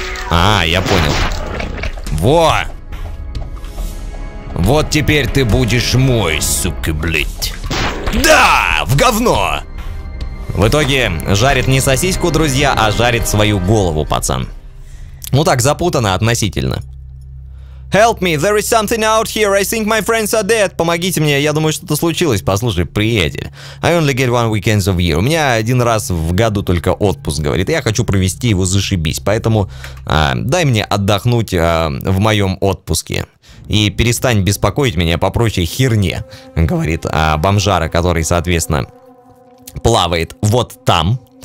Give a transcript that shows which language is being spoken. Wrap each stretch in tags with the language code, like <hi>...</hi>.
<ru>А, я понял. Во! Вот теперь ты будешь мой, сука, блядь. Да! В говно! В итоге жарит не сосиску, друзья, а жарит свою голову, пацан. Ну так, запутано относительно.</ru> <en>Help me, there is something out here, I think my friends are dead.</en> <ru>Помогите мне, я думаю, что-то случилось. Послушай, приятель,</ru> <en>I only get one weekend of year.</en> <ru>У меня один раз в году только отпуск, говорит. Я хочу провести его зашибись, поэтому дай мне отдохнуть в моем отпуске. И перестань беспокоить меня по прочей херне, говорит бомжара, который, соответственно, плавает вот там.</ru>